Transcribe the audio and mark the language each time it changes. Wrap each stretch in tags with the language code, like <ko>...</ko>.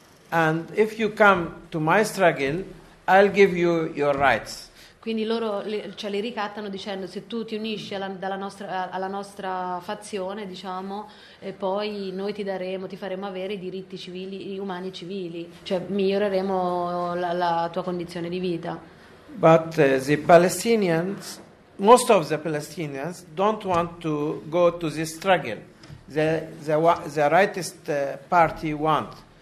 <en>And if you come to my struggle, I'll give you your rights.</en> <it>Quindi loro li ricattano dicendo, se tu ti unisci alla nostra fazione, diciamo, e poi noi ti faremo avere i diritti civili, umani e civili, cioè miglioreremo la tua condizione di vita.</it> <en>But the Palestinians, most of the Palestinians, don't want to go to this struggle. The rightist party want.</en>